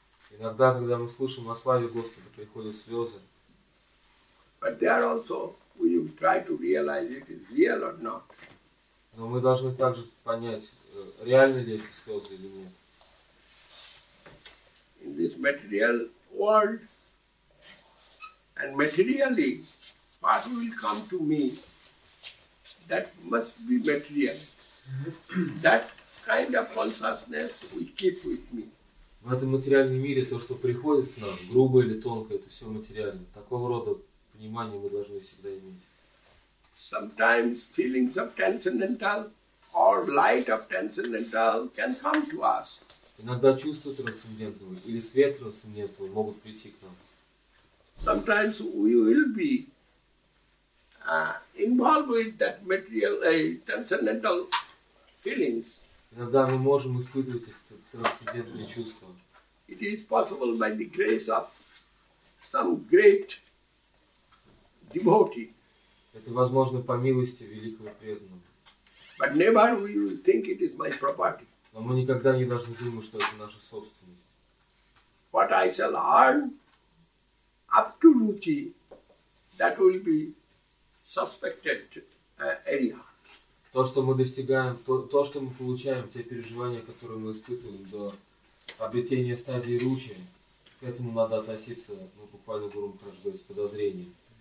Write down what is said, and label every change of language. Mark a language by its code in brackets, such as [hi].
[ru] Иногда, когда мы слушаем о славе Господа, приходят слезы. [en] But there also we try to realize it is real or not. [ru] Но мы должны также понять, реальны ли эти слезы или нет. [en] In this material world, and materially, what will come to me, that must be material. That kind of consciousness will keep with me. [ru] В этом материальном мире то, что приходит к нам, грубое или тонкое, это все материально. Такого рода понимание мы должны всегда иметь. [en] Sometimes feelings of transcendental or light of transcendental can come to us. [ru] Иногда чувства трансцендентного или свет трансцендентного могут прийти к нам. [en] Sometimes we will be involved with that material, transcendental feelings. [ru] Иногда мы можем испытывать эти трансцендентные чувства. [en] It is possible by the grace of some great devotee. [ru] Это возможно по милости великого преданного. [en] But never we will think it is my property. [ru] Но мы никогда не должны думать, что это наша собственность. [en] What I shall earn up to Ruchi, that will be suspected area. [ru] То, что мы достигаем, то, что мы получаем, те переживания, которые мы испытываем до обретения стадии Ручи, к этому надо относиться, ну, буквально гуру Махараджа, с подозрением.